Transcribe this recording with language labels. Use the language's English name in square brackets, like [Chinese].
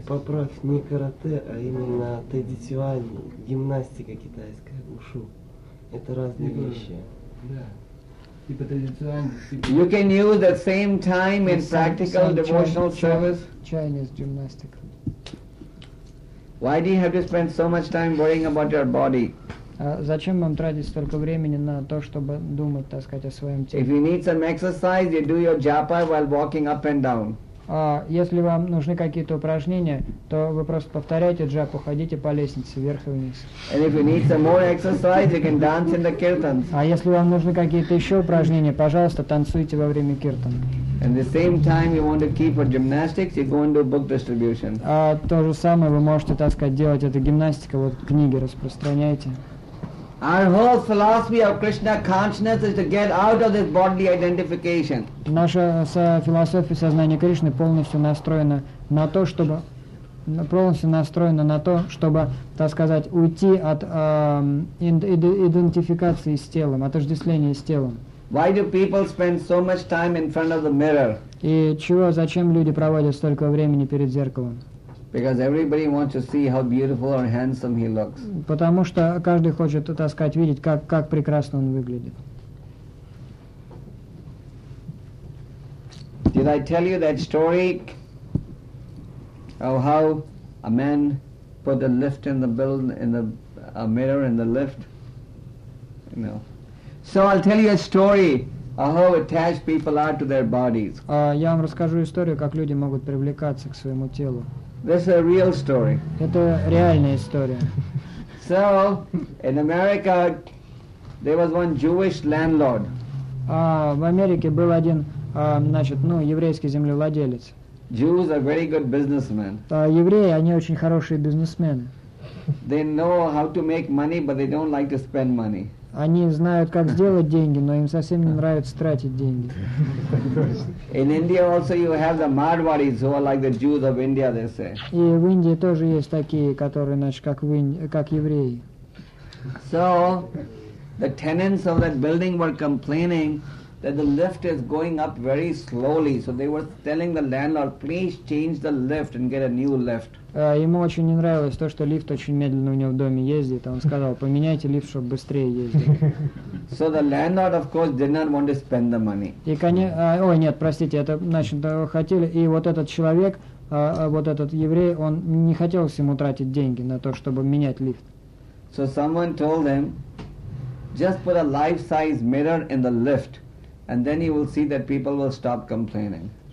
[Russian] Поправь, не карате, а именно традиционная гимнастика китайская, ушу. Это разные вещи. Да. [English] You can use the same time in practical devotional service. Chinese gymnastic. Why do you have to spend so much time worrying about your body? [Russian] Зачем вам тратить столько времени на то, чтобы думать, так сказать, о своем теле? [English] If you need some exercise, you do your japa while walking up and down. [Russian] Если вам нужны какие-то упражнения, то вы просто повторяйте джапу, ходите по лестнице вверх и вниз. [English] And if you need some more exercise, you can dance in the kirtans. [Russian] А если вам нужны какие-то еще упражнения, пожалуйста, танцуйте во время киртан. [English] And the same time you want to keep for gymnastics, you go and do book distribution. [Russian] То же самое вы можете, так сказать, делать это гимнастика, вот книги распространяйте. [English] Our whole philosophy of Krishna consciousness is to get out of this bodily identification. [Russian] Наша философия сознания Кришны полностью настроена на то, чтобы, так сказать, уйти от идентификации с телом, отождествления с телом. [English] Why do people spend so much time in front of the mirror? [Russian] И зачем люди проводят столько времени перед зеркалом? [English] Because everybody wants to see how beautiful or handsome he looks. [Russian] Потому что каждый хочет, так сказать, видеть, как прекрасно он выглядит. [English] Did I tell you that story of how a man put a lift in the building, in the a mirror in the lift? No. So I'll tell you a story of how attached people are to their bodies. [Russian] Я вам расскажу историю, как люди могут привлекаться к своему телу. [English] This is a real story. [Russian] Это реальная история. [English] So, in America, there was one Jewish landlord. [Russian] В Америке был один, еврейский землевладелец. [English] Jews are very good businessmen. [Russian] Евреи, они очень хорошие бизнесмены. [English] They know how to make money, but they don't like to spend money. [Russian] Они знают, как сделать деньги, но им совсем не нравится тратить деньги. [English] In India also you have the Marwaris, who are like the Jews of India, they say. [Russian] И в Индии тоже есть такие, которые, значит, как евреи. [English] So, the tenants of that building were complaining that the lift is going up very slowly. So they were telling the landlord, please change the lift and get a new lift. [Russian] Ему очень не нравилось то, что лифт очень медленно у него в доме ездит. Он сказал, поменяйте лифт, чтобы быстрее ездил. [English] So the landlord, of course, did not want to spend the money. [Russian] И вот этот человек, вот этот еврей, он не хотел ему тратить деньги на то, чтобы менять лифт. [English] So someone told him, just put a life-size mirror in the lift, and then you will see that people will stop complaining.